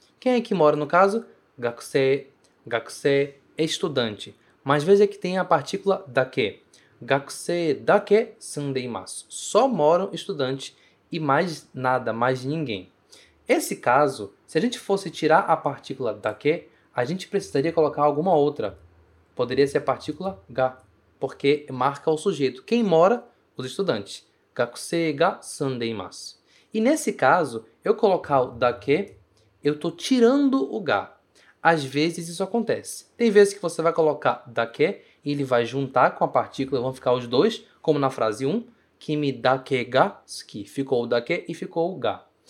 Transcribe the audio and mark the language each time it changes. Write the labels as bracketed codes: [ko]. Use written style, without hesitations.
[pt] Quem é que mora no caso? Gakusei. Gakusei é estudante. [ja] Mas veja que tem a partícula dake. Gakusei dake sunde imasu. [pt] Só moram estudantes e mais nada, mais ninguém. Esse caso, se a gente fosse tirar a partícula dake, a gente precisaria colocar alguma outra. Poderia ser a partícula ga, porque marca o sujeito. Quem mora? Os estudantes. [ja] Gakusei ga sunde imasu. [pt] E nesse caso, eu colocar o dake, eu estou tirando o ga. Às vezes isso acontece. Tem vezes que você vai colocar dake e ele vai juntar com a partícula, vão ficar os dois, como na frase 1. [ja] Kimi dake ga suki. [pt] Ficou o dake e ficou o ga.